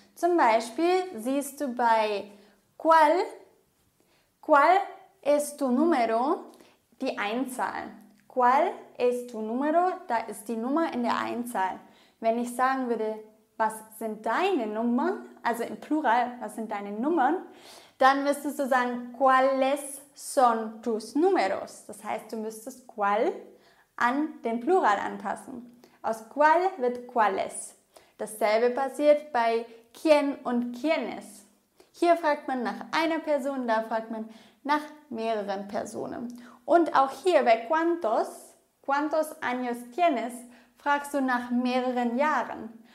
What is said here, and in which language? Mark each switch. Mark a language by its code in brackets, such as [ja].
[de] Zum Beispiel siehst du bei [es] ¿Cuál? ¿Cuál es tu número? [de] Die Einzahl. [es] ¿Cuál es tu número? [de] Da ist die Nummer in der Einzahl. Wenn ich sagen würde, was sind deine Nummern? Also im Plural, was sind deine Nummern? Dann müsstest du sagen [es] ¿Cuáles son tus números? [de] Das heißt, du müsstest [es] ¿Cuál? [de] An den Plural anpassen. Aus cuál wird cuáles. Dasselbe passiert bei quién und quiénes. Hier fragt man nach einer Person, da fragt man nach mehreren Personen. Und auch hier bei cuántos, [es] cuántos años tienes, [de] fragst du nach mehreren Jahren.